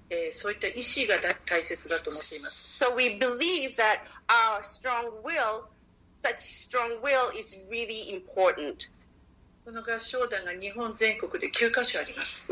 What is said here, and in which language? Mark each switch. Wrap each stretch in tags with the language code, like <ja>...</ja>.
<ja>そういった意志が大切だと思っています。</ja> <en>So we believe that our strong will, such strong will is really important.</en> <ja>この合唱団が日本全国で9カ所あります。</ja>